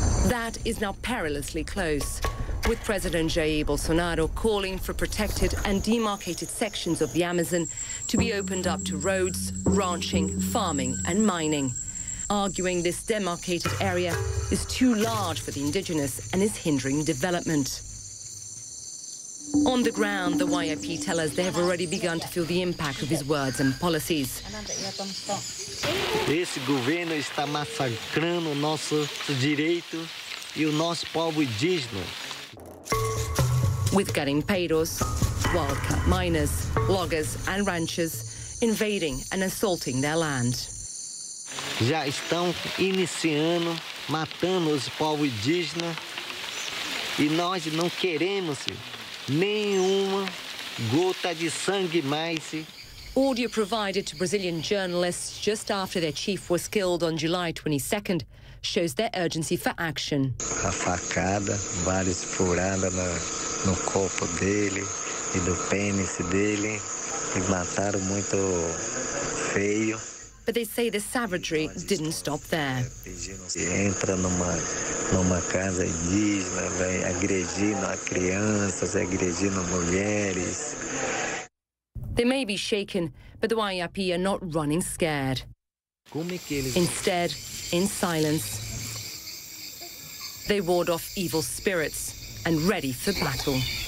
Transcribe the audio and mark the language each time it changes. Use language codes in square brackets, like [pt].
[en] That is now perilously close, with President Jair Bolsonaro calling for protected and demarcated sections of the Amazon to be opened up to roads, ranching, farming, and mining, arguing this demarcated area is too large for the indigenous and is hindering development. On the ground, the YIP tell us they have already begun to feel the impact of his words and policies. [pt] Esse governo está massacrando nossos direitos e o nosso povo indígena. [en] With garimpeiros, wildcat miners, loggers and ranchers invading and assaulting their land. [pt] Já estão iniciando, matando os povos indígenas e nós não queremos nenhuma gota de sangue mais. [en] Audio provided to Brazilian journalists just after their chief was killed on July 22nd shows their urgency for action. [pt] A facada, várias furadas no corpo dele e no pênis dele, e mataram muito feio. [en] But they say the savagery didn't stop there. [pt] Entra numa casa indígena, vai agredindo a crianças, agredindo mulheres. [en] They may be shaken, but the YIP are not running scared. Instead, in silence, they ward off evil spirits and ready for battle.